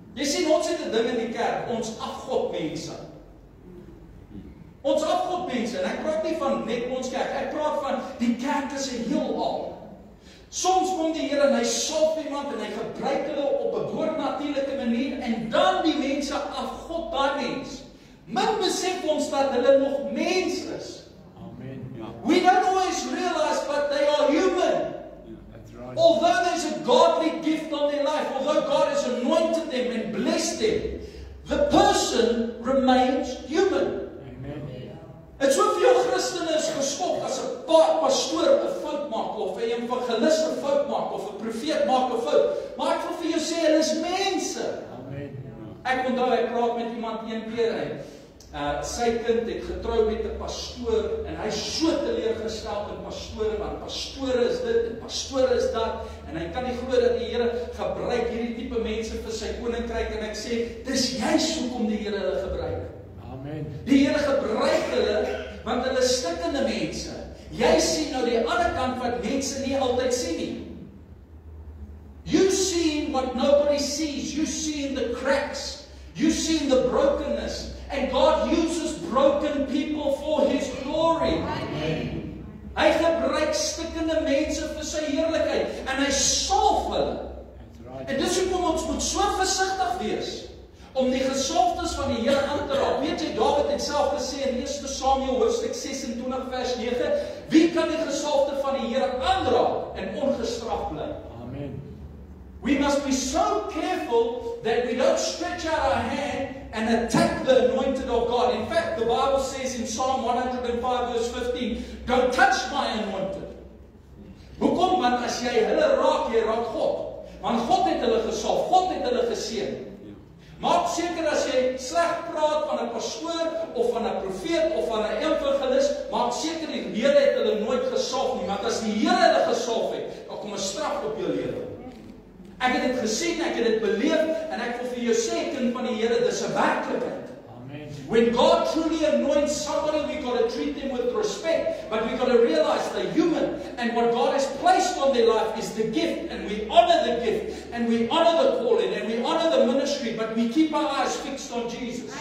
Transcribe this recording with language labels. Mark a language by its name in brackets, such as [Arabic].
[Afrikaans] Jy sien, ons het 'n ding in die kerk, ons afgod mense. Ons afgod mense, en ek praat nie van net ons kerk, ek praat van die kerk is 'n heelal. Soms kom die Here en hy salf iemand en hy gebruik hulle op 'n boonatuurlike manier en dan die mense afgod daar mens. Min besef ons dat hulle nog mens is. Amen. Ja. [English] We don't always realize that they are human. That's right. Although there's a godly gift on their life, although God has anointed them and blessed them, the person remains human. [Afrikaans] Het so veel Christene is geskok as 'n pastoor 'n fout maak of 'n evangelis 'n fout maak of 'n profeet maak 'n fout. Maar ek wil vir jou sê, hulle is mense. Amen. Ek onthou ek praat met iemand een keer en sy kind het getrou met 'n pastoor en hy is so teleurgestel in pastoore want pastoore is dit en pastoore is dat en hy kan nie glo dat die Here gebruik hierdie tipe mense vir sy koninkryk en ek sê, dis juist hoekom die Here hulle gebruik. Die Here gebruik hulle, want hulle is stikkende mense. Jy sien nou die ander kant wat mense nie altyd sien nie. [English] You see what nobody sees. You see the cracks. You see the brokenness. And God uses broken people for His glory. Amen. [Afrikaans] Hy gebruik stikkende mense vir sy heerlikheid. En hy salf hulle. [English] Right. [Afrikaans] En dis hoekom ons moet so versigtig wees. Om die gesalfdes van die Here aan te raak. Weet jy, Dawid het self gesê in 1 Samuel hoofstuk 26 vers 9, wie kan die gesalfde van die Here aanraak en ongestraf bly? Amen. [English] We must be so careful that we don't stretch out our hand and attack the anointed of God. In fact, the Bible says in Psalm 105 verse 15, don't touch my anointed. [Afrikaans] Hoekom? Want as jy hulle raak, jy raak God. Want God het hulle gesalf, God het hulle geseën. Maak seker as jy sleg praat van 'n pastoor of van 'n profeet of van 'n evangelis, maak seker die Here het hulle nooit gesalf nie, want as die Here hulle gesalf het, dan kom 'n straf op jou lewe. Ek het dit gesien, ek het dit beleef en ek wil vir jou sê kind van die Here, dis 'n werklikheid. Amen. [English] When God truly anoints somebody, we got to treat them with respect, but we got to realize they're human and what God has placed on their life is the gift and we honor the gift and we honor the calling and we honor the ministry, but we keep our eyes fixed on Jesus.